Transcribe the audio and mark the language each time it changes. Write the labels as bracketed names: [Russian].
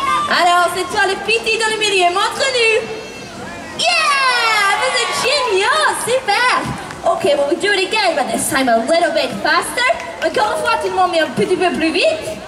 [French] Alors, c'est toi le piti dans le milieu, montre-nous. Yeah! Vous êtes géniaux, super! [English] Ok, well, we'll do it again, but this time a little bit faster. [French] Encore une fois, tu m'en mets un petit peu plus vite.